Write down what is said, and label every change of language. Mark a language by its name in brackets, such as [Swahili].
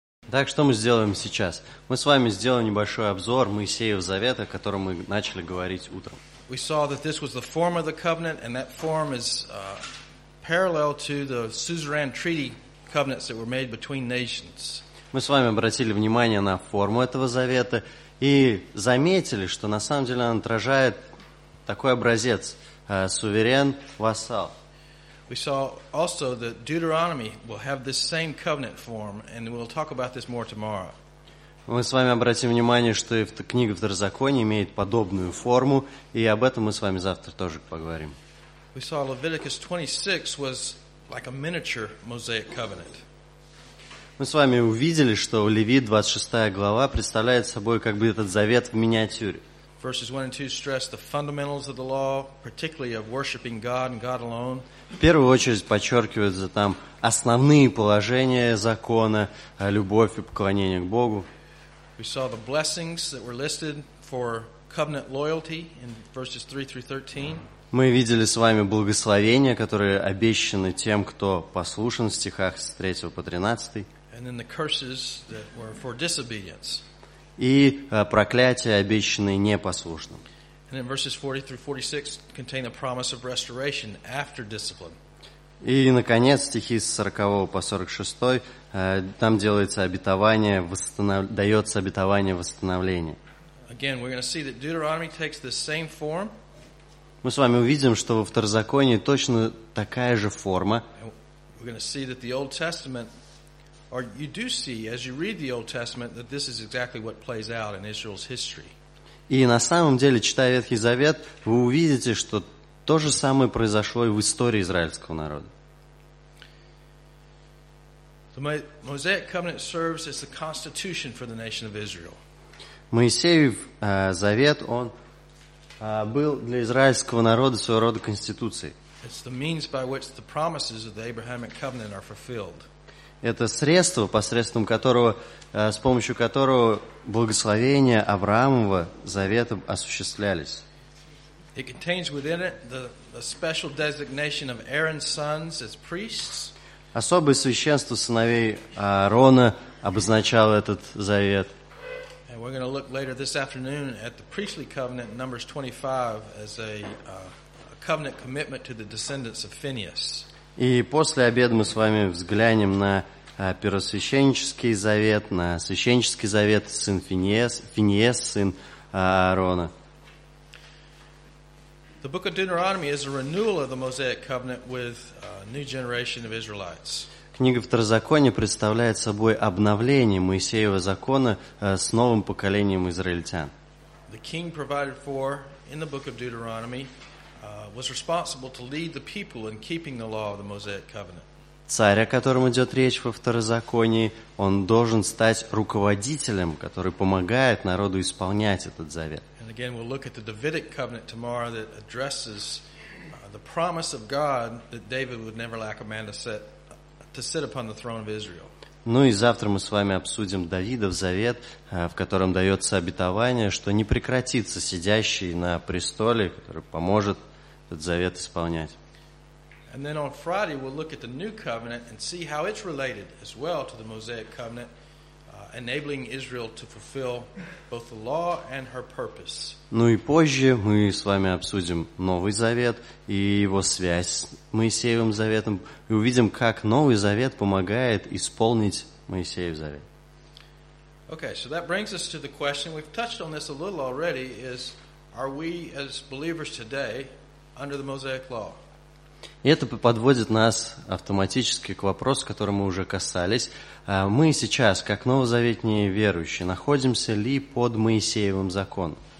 [Russian] Так, что мы сделаем сейчас? Мы с вами сделаем небольшой обзор Моисеева Завета, о котором мы начали говорить утром. [English] We saw that this was the form of the covenant, and that form is parallel to the suzerain treaty covenants that were made between nations. [Russian] Мы с вами обратили внимание на форму этого завета и заметили, что на самом деле он отражает такой образец суверен-вассал. [English] We saw also that Deuteronomy will have this same covenant form, and we'll talk about this more tomorrow. [Russian] Мы с вами обратим внимание, что и книга Второзакония имеет подобную форму, и об этом мы с вами завтра тоже поговорим. [English] We saw Leviticus 26 was like a miniature Mosaic covenant. [Russian] Мы с вами увидели, что Левит 26 глава представляет собой как бы этот завет в миниатюре. [English] Verses 1 and 2 stress the fundamentals of the law, particularly of worshiping God and God alone. [Russian] В первую очередь подчеркиваются там основные положения закона, любовь и поклонение к Богу. [English] We saw the blessings that were listed for covenant loyalty in verses 3 through 13. [Russian] Мы видели с вами благословения, которые обещаны тем, кто послушен, в стихах с 3 по 13. [English] And then the curses that were for disobedience. [Russian] И проклятия, обещанные непослушным. [English] And then verses 40 through 46 contain a promise of restoration after discipline. [Russian] И, наконец, стихи с 40 по 46, там делается обетование, дается обетование восстановления. [English] Again, we're going to see that Deuteronomy takes the same form. [Russian] Мы с вами увидим, что во Второзаконии точно такая же форма. [English] We're going to see that the Old Testament, or you do see, as you read the Old Testament, that this is exactly what plays out in Israel's history. [Russian] И на самом деле, читая Ветхий Завет, вы увидите, что то же самое произошло и в истории израильского народа. [English] The Mosaic Covenant serves as the constitution for the nation of Israel. [Russian] Моисеев завет, он был для израильского народа своего рода конституцией. [English] It's the means by which the promises of the Abrahamic covenant are fulfilled. [Russian] Это средство, посредством которого, с помощью которого благословения Авраамова завета осуществлялись. [English] It contains within it the special designation of Aaron's sons as priests. [Russian] Особое священство сыновей Аарона обозначало этот завет. [English] And we're going to look later this afternoon at the priestly covenant in Numbers 25 as a covenant commitment to the descendants of Phinehas. [Russian] И после обеда мы с вами взглянем на первосвященнический завет, на священнический завет сын Финиес, сын Аарона. [English] The book of Deuteronomy is a renewal of the Mosaic covenant with a new generation of Israelites. [Russian] Книга Второзакония представляет собой обновление Моисеева закона с новым поколением израильтян. [English] The king provided for in the book of Deuteronomy was responsible to lead the people in keeping the law of the Mosaic covenant. [Russian] Царь, о котором идет речь во Второзаконии, он должен стать руководителем, который помогает народу исполнять этот завет. [English] And again, we'll look at the Davidic covenant tomorrow that addresses the promise of God that David would never lack a man to sit upon the throne of Israel. [Russian] Ну и завтра мы с вами обсудим Давидов завет, в котором дается обетование, что не прекратится сидящий на престоле, который поможет этот завет исполнять. [English] And then on Friday, we'll look at the new covenant and see how it's related as well to the Mosaic covenant, enabling Israel to fulfill both the law and her purpose. [Russian] Ну и позже мы с вами обсудим Новый Завет и его связь с Моисеевым Заветом и увидим, как Новый Завет помогает исполнить Моисеев Завет. [English] Okay, so that brings us to the question, we've touched on this a little already, is are we as believers today under the Mosaic Law? [Russian] И это подводит нас автоматически к вопросу, который мы уже касались. Мы сейчас, как новозаветные верующие, находимся ли под Моисеевым законом?